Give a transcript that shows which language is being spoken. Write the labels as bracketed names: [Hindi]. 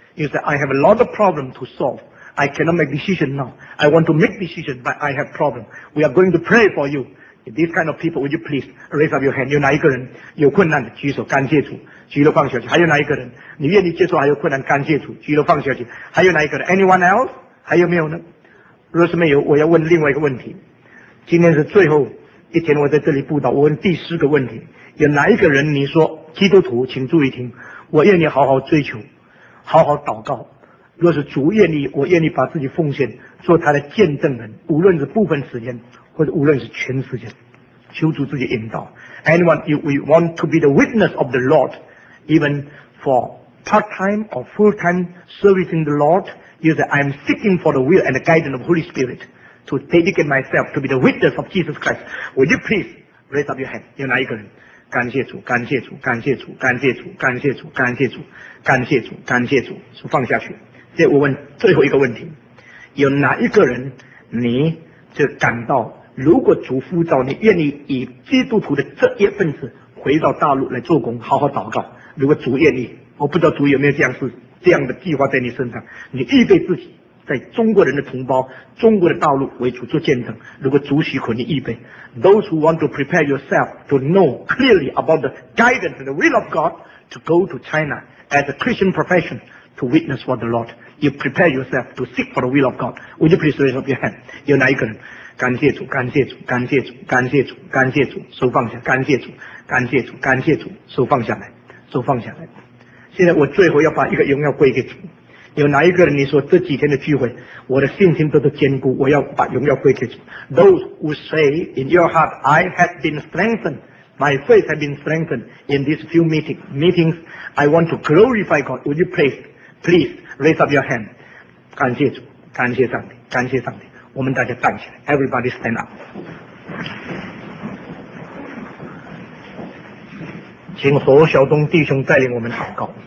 [English] You say, I have a lot of problems to solve. I cannot make decision now. I want to make decision, but I have problem. We are going to pray for you. If these kind of people, would you please raise up your hand? [Chinese] 有哪一个人有困难的举手，感谢主，举了放下去。还有哪一个人你愿意接受还有困难，感谢主，举了放下去。还有哪一个人？ [English] Anyone else? [Chinese] 还有没有呢？若是没有，我要问另外一个问题。今天是最后一天我在这里布道，我问第四个问题。有哪一个人你说基督徒，请注意听，我愿意好好追求，好好祷告，若是主愿意，我愿意把自己奉献做他的见证人，无论是部分时间或者无论是全时间，求主自己引导。 [English] Anyone, if we want to be the witness of the Lord, even for part time or full time servicing the Lord, you say, I am seeking for the will and the guidance of Holy Spirit to dedicate myself to be the witness of Jesus Christ, would you please raise up your hand? [Chinese] 有哪一个人？感谢主，感谢主，感谢主，感谢主，感谢主，感谢主，感谢主，感谢主，是放下去。这我问最后一个问题，有哪一个人你就感到如果主呼召你，愿意以基督徒的这一份子回到大陆来做工，好好祷告，如果主愿意，我不知道主有没有这样事，这样的计划在你身上，你预备自己在中国人的同胞，中国的大陆为主做见证，如果主许可你预备。 [English] Those who want to prepare yourself to know clearly about the guidance and the will of God to go to China as a Christian profession to witness for the Lord, you prepare yourself to seek for the will of God, would you please raise up your hand? [Chinese] 有哪一个人？感谢主，感谢主，感谢主，感谢主，感谢主，手放下，感谢主，感谢主，感谢主，手放下来，手放下来。现在我最后要把一个荣耀归给主。有哪一个人你说这几天的聚会我的信心都是坚固，我要把荣耀归给主。 [English] Those who say in your heart I have been strengthened, my faith has been strengthened in these few meetings, I want to glorify God, would you please raise up your hand? [Chinese] 感谢主，感谢上帝，感谢上帝。我们大家站起来， [English] Everybody stand up. [Chinese] 请何小东弟兄带领我们祷告。